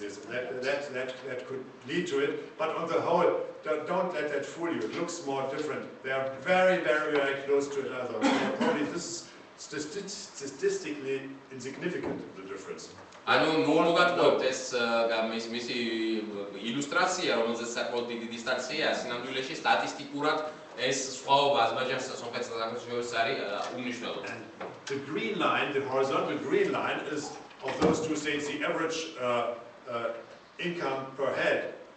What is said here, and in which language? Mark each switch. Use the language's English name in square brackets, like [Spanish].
[English] That could lead to it. But on the whole, don't let that fool you. It looks more different. They are very, very, very close to each other. Probably this is statistically insignificant, the difference. [Georgian] Ანუ მოულოდნელად ეს მისი ილუსტრაცია, რომელზეც საკმაოდ დიდი დისტანცია, სინამდვილეში სტატისტიკურად ეს სხვაობა აზერბაიჯანსა და სომხეთს შორის არის უმნიშვნელო. [English] The green line, the horizontal green line is of those two states the average income per head.